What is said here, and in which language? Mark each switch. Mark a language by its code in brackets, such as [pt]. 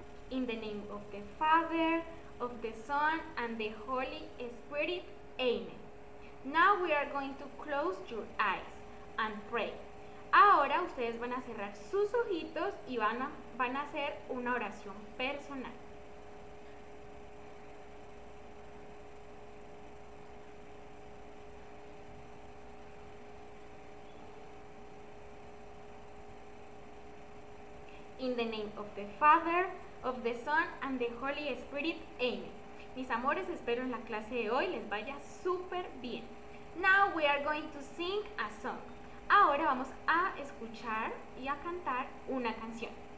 [en] In the name of the Father, of the Son, and the Holy Spirit. Amen. Now we are going to close your eyes and pray. [es] Ahora ustedes van a cerrar sus ojitos y van a hacer una oración personal. [en] In the name of the Father, of the Son, and the Holy Spirit. Amen. [es] Mis amores, espero en la clase de hoy les vaya súper bien. [en] Now we are going to sing a song. [es] Ahora vamos a escuchar y a cantar una canción.